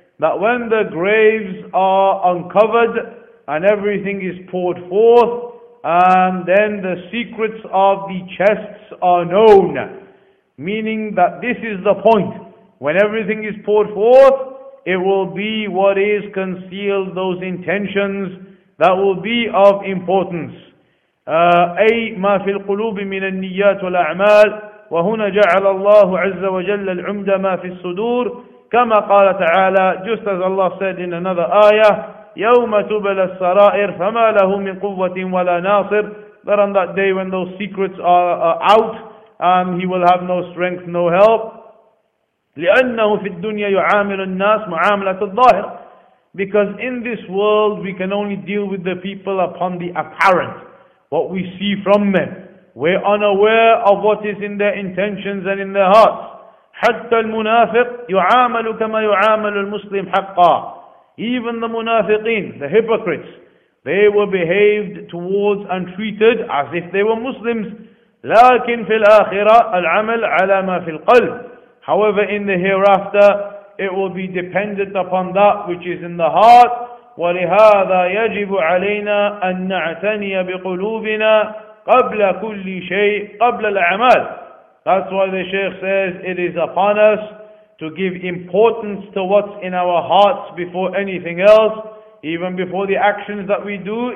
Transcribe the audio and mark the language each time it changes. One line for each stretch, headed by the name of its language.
English: That when the graves are uncovered and everything is poured forth, and then the secrets of the chests are known, meaning that this is the point. When everything is poured forth, it will be what is concealed, those intentions that will be of importance.
Arabic: أي ما في القلوب من النيات والأعمال وهنا جعل الله عز وجل العمد ما في الصدور كما قال تعالى.
English: Just as Allah said in another ayah,
Arabic: يوم تبل السرائر فما له من قوة ولا ناصر.
English: That on that day when those secrets are out, he will have no strength, no help.
Arabic: لأنه في الدنيا يعامل الناس معاملة الظاهر.
English: Because in this world we can only deal with the people upon the apparent, what we see from them. We're unaware of what is in their intentions and in their hearts.
Arabic: حتى المنافق يعامل كما يعامل المسلم حقا.
English: Even the munafiqeen, the hypocrites, they were behaved towards and treated as if they were Muslims.
Arabic: لكن في الآخرة العمل على ما في القلب.
English: However, in the hereafter, it will be dependent upon that which is in the heart.
Arabic: وَلِهَذَا يَجِبُ عَلَيْنَا أَن نَعْتَنِيَ بِقُلُوبِنَا قَبْلَ كُلِّ شَيْءٍ قَبْلَ الْأَعْمَالِ.
English: That's why the Shaykh says, it is upon us to give importance to what's in our hearts before anything else, even before the actions that we do.